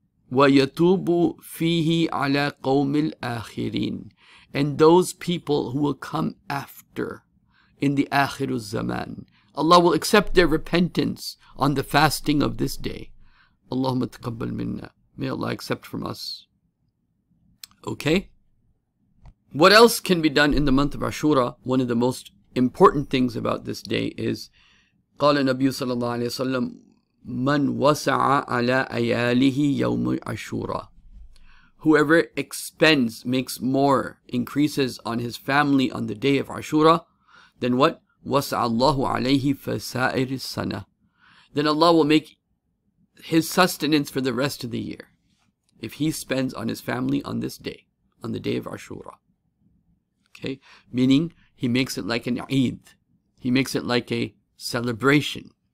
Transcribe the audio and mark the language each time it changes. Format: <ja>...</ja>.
<ar>وَيَتُوبُ فِيهِ عَلَىٰ قَوْمِ الْآخِرِينَ.</ar> <en>And those people who will come after in the</en> <ar>آخِرُ الزَّمَانِ.</ar> <en>Allah will accept their repentance on the fasting of this day.</en> <ar>اللهم تقبل منا.</ar> <en>May Allah accept from us. Okay? What else can be done in the month of Ashura? One of the most important things about this day is</en> <ar>قال النبي صلى الله عليه وسلم من وسع على أياله يوم عاشوراء.</ar> <en>Whoever expends, makes more, increases on his family on the day of Ashura, then what?</en> <ar>وسع الله عليه فسائر السنة.</ar> <en>Then Allah will make his sustenance for the rest of the year if he spends on his family on this day, on the day of Ashura. Okay, meaning he makes it like an Eid. He makes it like a celebration.</en>